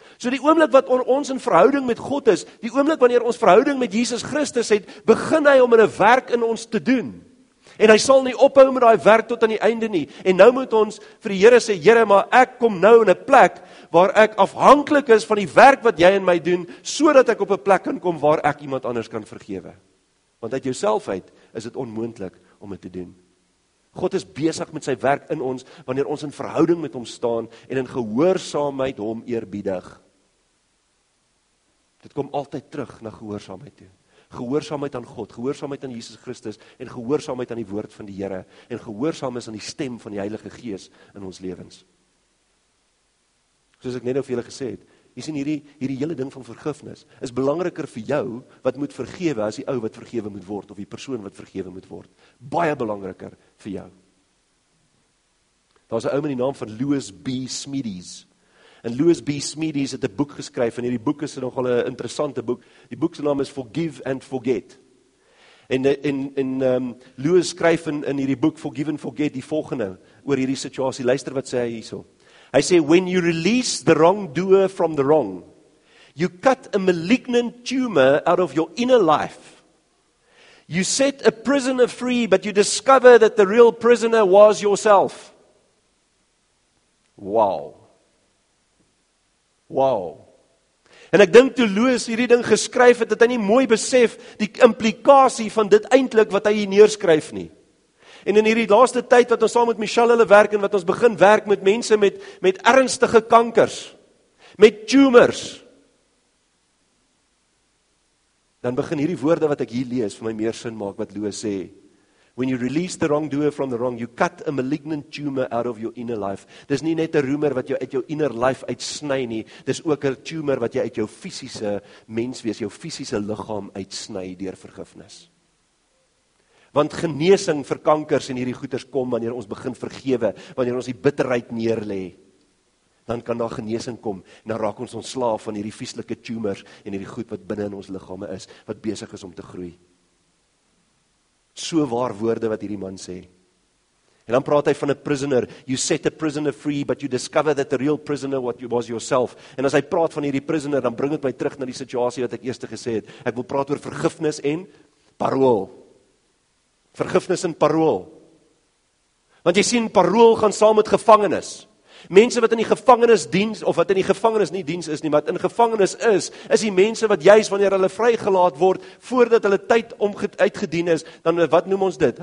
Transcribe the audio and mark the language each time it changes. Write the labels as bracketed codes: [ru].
[af] So die oomblik wat ons in verhouding met God is, die oomblik wanneer ons verhouding met Jesus Christus het, begin hy om 'n werk in ons te doen. En hy sal nie ophou met daai werk tot aan die einde nie. En nou moet ons vir die Here sê, Here, maar ek kom nou in 'n plek waar ek afhanklik is van die werk wat jy in my doen, sodat ek op 'n plek kan kom waar ek iemand anders kan vergewe. Want uit jouself uit is dit onmoontlik om dit te doen. God is besig met sy werk in ons wanneer ons in verhouding met hom staan en in gehoorsaamheid hom eerbiedig. Dit kom altyd terug na gehoorsaamheid toe. Gehoorsaamheid aan God, gehoorsaamheid aan Jesus Christus en gehoorsaamheid aan die woord van die Here en gehoorsaamheid aan die stem van die Heilige Gees in ons lewens. Soos ek net nou vir julle gesê het, jy sien hierdie hele ding van vergifnis is belangriker vir jou wat moet vergewe as die ou wat vergewe moet word of die persoon wat vergewe moet word. Baie belangriker vir jou. Daar's 'n ou met die naam van Louis B. Smedies. En Louis B. Smedies het 'n boek geskryf, en hierdie boek is nogal 'n interessante boek. Die boek se naam is Forgive and Forget. En Louis skryf in hierdie boek Forgive and Forget die volgende oor hierdie situasie. Luister wat sê hy hierso. [en] Hy sê, when you release the wrongdoer from the wrong, you cut a malignant tumor out of your inner life. You set a prisoner free, but you discover that the real prisoner was yourself. Wow. Wow. [af] En ek dink toe Louis hierdie ding geskryf het, het hy nie mooi besef die implikasie van dit eintlik wat hy hier neerskryf nie. En in hierdie laaste tyd wat ons saam met Michelle hulle werk en wat ons begin werk met mense met ernstige kankers, met tumors, dan begin hierdie woorde wat ek hier lees vir my meer sin maak wat Louis sê. [en] When you release the wrongdoer from the wrong, you cut a malignant tumor out of your inner life. [af] Dis nie net 'n roemer wat jou uit jou [en] inner life [af] uitsny nie, dis ook 'n tumor wat jy uit jou fisiese menswees, jou fisiese liggaam uitsny deur vergifnis. Want genesing vir kankers en hierdie goeters kom wanneer ons begin vergewe, wanneer ons die bitterheid neerlê. Dan kan daar genesing kom, en dan raak ons ontslaaf van hierdie vieslike tumors en hierdie goed wat binne in ons liggame is, wat besig is om te groei. So waar woorde wat hierdie man sê. En dan praat hy van 'n prisoner. [en] You set a prisoner free, but you discover that the real prisoner was yourself. [af] En as hy praat van hierdie prisoner, dan bring dit my terug na die situasie wat ek eerste gesê het. Ek wil praat oor vergifnis en parool. Vergifnis en parool. Want jy sien, parool gaan saam met gevangenis. Mense wat in die gevangenis dien, of wat in die gevangenis nie dien is nie, maar in gevangenis is, is die mense wat juis wanneer hulle vrygelaat word, voordat hulle tyd uitgedien is, dan wat noem ons dit?